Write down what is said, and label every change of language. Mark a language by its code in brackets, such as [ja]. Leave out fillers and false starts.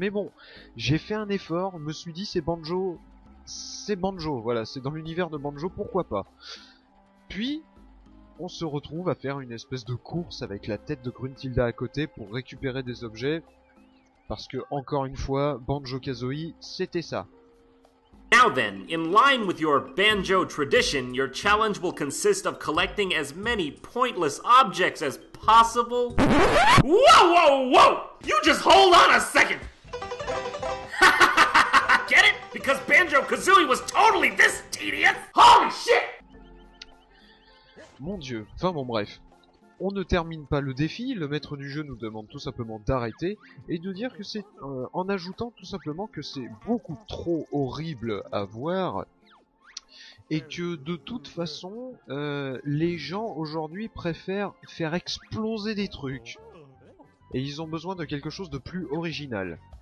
[fr] Mais bon, j'ai fait un effort, me suis dit, c'est Banjo, voilà, c'est dans l'univers de Banjo, pourquoi pas. Puis, on se retrouve à faire une espèce de course avec la tête de Gruntilda à côté pour récupérer des objets. Parce que, encore une fois, Banjo-Kazooie, c'était ça. [en] Now then, in line with your Banjo tradition, your challenge will consist of collecting as many pointless objects as possible. Whoa, whoa, whoa! You just hold on a second! Get it? Because Banjo-Kazooie was totally this tedious! Holy shit! [fr] Mon dieu, enfin bon bref, on ne termine pas le défi, le maître du jeu nous demande tout simplement d'arrêter et de dire que c'est en ajoutant tout simplement que c'est beaucoup trop horrible à voir et que de toute façon, les gens aujourd'hui préfèrent faire exploser des trucs et ils ont besoin de quelque chose de plus original.